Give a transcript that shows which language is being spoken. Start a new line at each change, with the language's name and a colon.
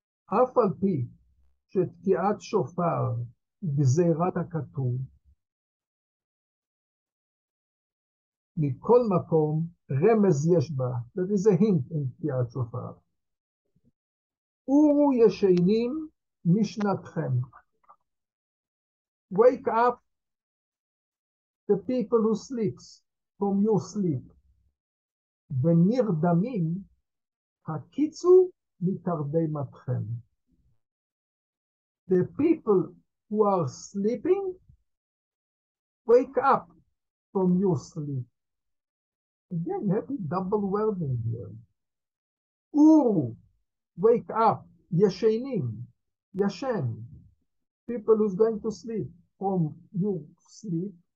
Hebrew: Af al pi shetkiat shofar gzeirat hakatum, מכל מקום רמז יש בה,
English: there is a hint in
Hebrew: תקיעת שופר. אורו ישנים משנתכם.
English: Wake up the people who sleeps from your sleep.
Hebrew: ונרדמים הקיצו מתרדמתכם.
English: The people who are sleeping, wake up from your sleep. Again, you have a double wording here. Uru, wake up. Yeshenim, yeshen. People who's going to sleep from your sleep.